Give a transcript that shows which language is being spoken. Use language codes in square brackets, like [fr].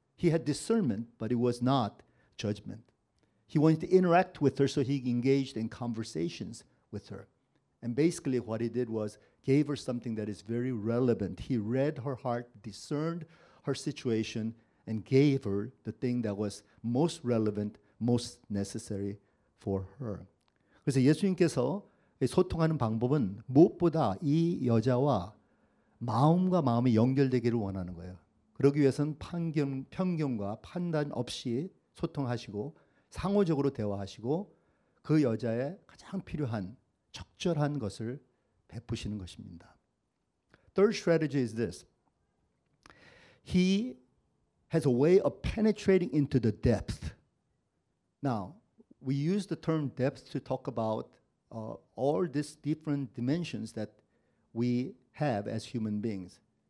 [en] He had discernment, but it was not judgment. He wanted to interact with her, so he engaged in conversations with her. And basically what he did was gave her something that is very relevant. He read her heart, discerned her situation, and gave her the thing that was most relevant, most necessary for her. [ko] 그래서 예수님께서 소통하는 방법은 무엇보다 이 여자와 마음과 마음이 연결되기를 원하는 거예요. 그러기 위해서는 편견과 판단 없이 소통하시고 상호적으로 대화하시고 그 여자의 가장 필요한 적절한 것을 베푸시는 것입니다. [en] Third strategy is this. He has a way of penetrating into the depth. Now, we use the term depth to talk about all these different dimensions that we have as human beings.